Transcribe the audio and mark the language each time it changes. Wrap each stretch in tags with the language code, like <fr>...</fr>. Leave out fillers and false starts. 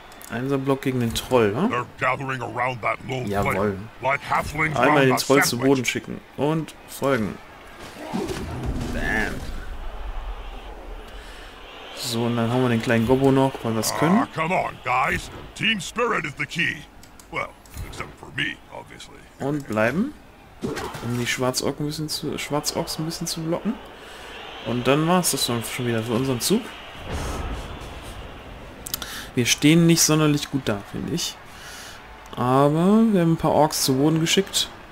<de>Einserblock gegen den Troll, ne? Jawohl. Einmal den Troll zu Boden schicken. Und folgen. Bam. So, und dann haben wir den kleinen Gobbo noch, weil wir es können.</de> <en>Come on, guys. Team Spirit is the key. Well, except for me, obviously.</en> <de>Und bleiben. Um die Schwarzorks ein bisschen zu blocken. Und dann war es das dann schon wieder für unseren Zug. Wir stehen nicht sonderlich gut da, finde ich. Aber wir haben ein paar Orks zu Boden geschickt.</de>